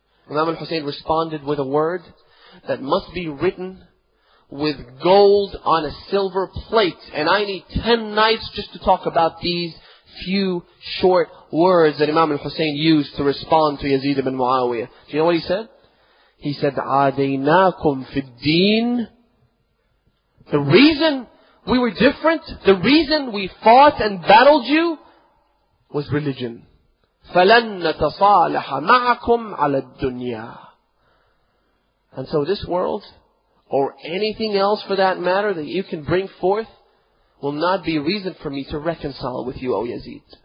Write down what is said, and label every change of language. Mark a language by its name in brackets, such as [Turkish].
[English] Imam al-Hussein responded with a word that must be written with gold on a silver plate. And I need 10 nights just to talk about these few short words that Imam al-Hussein used to respond to Yazid ibn Muawiyah. Do you know what he said? He said, [Arabic] عَدَيْنَاكُمْ فِي الدِّينِ. [English] The reason we were different, the reason we fought and battled you, was religion. [Arabic] فَلَن نَتَصَالَحَ مَعَكُمْ عَلَى الدُّنْيَا. [English] And so this world, or anything else for that matter that you can bring forth, will not be reason for me to reconcile with you, O Yazid.